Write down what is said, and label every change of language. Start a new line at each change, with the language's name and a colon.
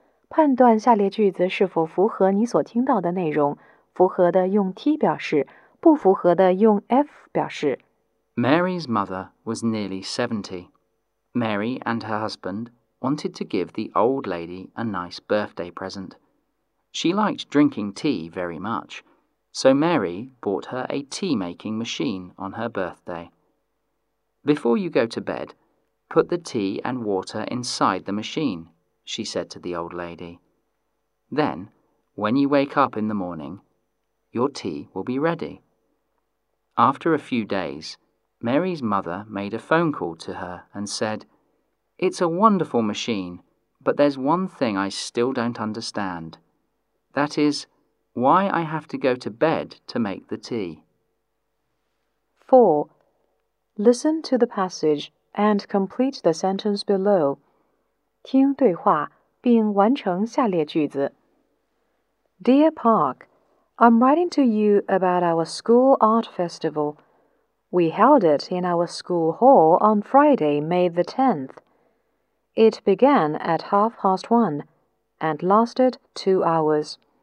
Chinese: 判断下列句子是否符合你所听到的内容。符合的用 T 表示，不符合的用 F 表示。
English: Mary's mother was nearly 70. Mary and her husband wanted to give the old lady a nice birthday present. She liked drinking tea very much, so Mary bought her a tea-making machine on her birthday. Before you go to bed, put the tea and water inside the machine, she said to the old lady. Then, when you wake up in the morning, your tea will be ready. After a few days, Mary's mother made a phone call to her and said, It's a wonderful machine, but there's one thing I still don't understand. That is, why I have to go to bed to make the tea. 4. Listen to the passage and complete the sentence below.
Chinese: 听对话并完成下列句子。
English: Dear Park, I'm writing to you about our school art festival. We held it in our school hall on Friday, May the 10th. It began at 1:30 and lasted 2 hours.